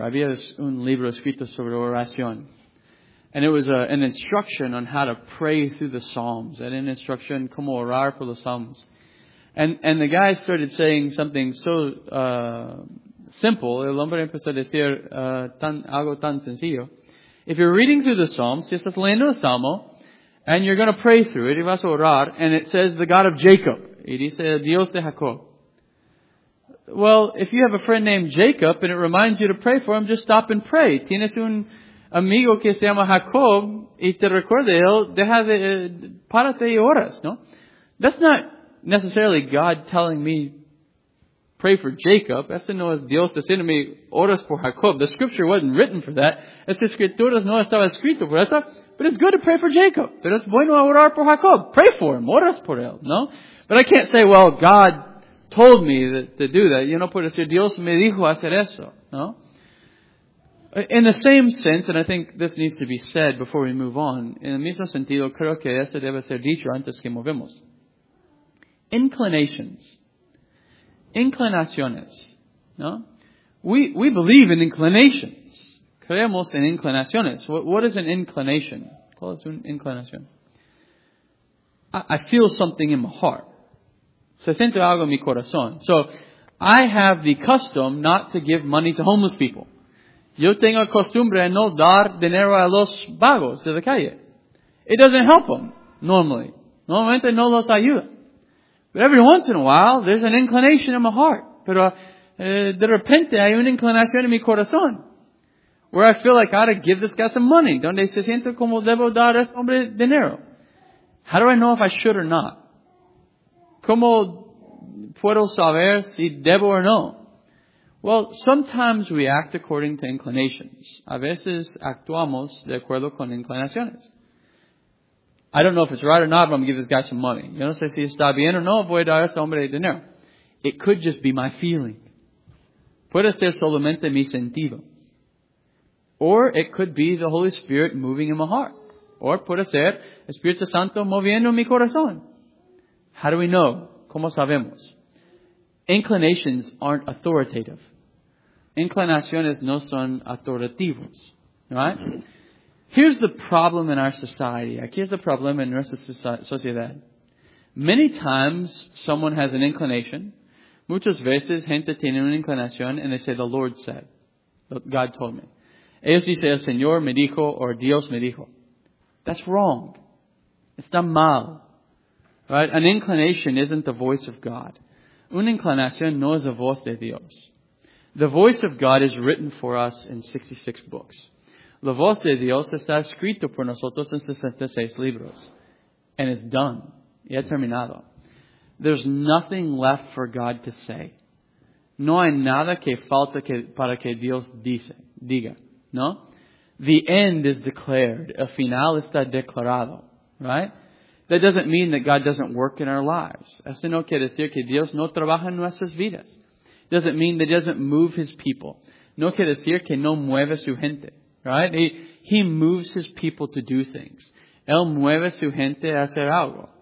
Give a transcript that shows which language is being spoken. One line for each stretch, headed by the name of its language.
Spanish: Había un libro escrito sobre oración.
English: And it was an instruction on how to pray through the Psalms. And an instruction,
Spanish: como orar por los Psalms.
English: And the guy started saying something so simple.
Spanish: El hombre empezó a decir algo tan sencillo.
English: If you're reading through the Psalms,
Spanish: si estás leyendo el Salmo,
English: and you're going to pray through it,
Spanish: y vas a orar,
English: and it says the God of Jacob,
Spanish: y dice Dios de Jacob.
English: Well, if you have a friend named Jacob, and it reminds you to pray for him, just stop and pray.
Spanish: Tienes un amigo que se llama Jacob, y te recuerda él, deja de, párate y oras, ¿no?
English: That's not necessarily God telling me, pray for Jacob.
Spanish: Este no es Dios diciendo mi oras por Jacob.
English: The scripture wasn't written for that.
Spanish: Esta escritura no estaba escrito por eso.
English: But it's good to pray for Jacob.
Spanish: Pero es bueno orar por Jacob.
English: Pray for him.
Spanish: Oras por él. No?
English: But I can't say, well, God told me to do that.
Spanish: Yo no puedo decir, Dios me dijo hacer eso.
English: No? In the same sense, and I think this needs to be said before we move on,
Spanish: en el mismo sentido, creo que esto debe ser dicho antes que movemos. Inclinations. Inclinaciones, ¿no?
English: We believe in inclinations.
Spanish: Creemos en inclinaciones.
English: What is an inclination?
Spanish: ¿Cuál es una inclinación?
English: I feel something in my heart.
Spanish: Se siento algo en mi corazón.
English: So, I have the custom not to give money to homeless people.
Spanish: Yo tengo costumbre no dar dinero a los vagos de la calle.
English: It doesn't help them, normally.
Spanish: Normalmente no los ayuda.
English: But every once in a while, there's an inclination in my heart.
Spanish: Pero de repente hay una inclinación en mi corazón.
English: Where I feel like I ought to give this guy some money.
Spanish: Donde se siente como debo dar a este hombre dinero.
English: How do I know if I should or not?
Spanish: ¿Cómo puedo saber si debo o no?
English: Well, sometimes we act according to inclinations.
Spanish: A veces actuamos de acuerdo con inclinaciones.
English: I don't know if it's right or not, but I'm going to give this guy some money.
Spanish: Yo no sé si está bien o no, voy a dar a este hombre de dinero.
English: It could just be my feeling.
Spanish: Puede ser solamente mi sentido.
English: Or it could be the Holy Spirit moving in my heart.
Spanish: Or puede ser Espíritu Santo moviendo mi corazón.
English: How do we know?
Spanish: ¿Cómo sabemos?
English: Inclinations aren't authoritative.
Spanish: Inclinaciones no son autoritativos.
English: Right? Here's the problem in our society.
Spanish: Aquí es el problema en nuestra sociedad.
English: Many times, someone has an inclination.
Spanish: Muchas veces gente tiene una inclinación y dice,
English: the Lord said, God told me.
Spanish: Ellos dicen, el Señor me dijo, o Dios me dijo.
English: That's wrong.
Spanish: Está mal.
English: Right? An inclination isn't the voice of God.
Spanish: Una inclinación no es la voz de Dios.
English: The voice of God is written for us in 66 books.
Spanish: La voz de Dios está escrito por nosotros en 66 libros.
English: And it's done.
Spanish: Ya terminado.
English: There's nothing left for God to say.
Spanish: No hay nada que falta que, para que Dios diga.
English: No? The end is declared.
Spanish: El final está declarado.
English: Right? That doesn't mean that God doesn't work in our lives.
Spanish: Eso no quiere decir que Dios no trabaja en nuestras vidas.
English: Doesn't mean that he doesn't move his people.
Spanish: No quiere decir que no mueve su gente.
English: Right? He moves his people to do things.
Spanish: Él mueve su gente a hacer algo.